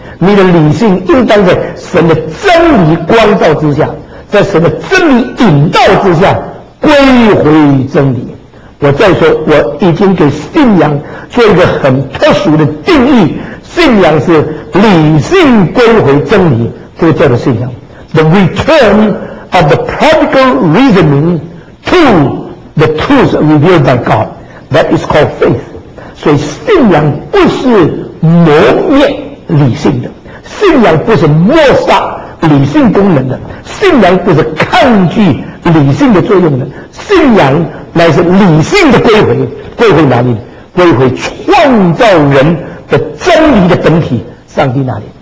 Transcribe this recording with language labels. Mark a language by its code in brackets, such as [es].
[zh] 你的理性应当在神的真理光照之下，在神的真理引导之下归回真理。我再说，我已经给信仰做一个很特殊的定义，信仰是理性归回真理，这个叫做信仰。 [en] The return of the practical reasoning to the truth revealed by God, that is called faith. [zh] 所以信仰不是磨灭理性的，信仰不是抹杀理性功能的，信仰不是抗拒理性的作用的，信仰乃是理性的归回。归回哪里？归回创造人的真理的本体，上帝那里。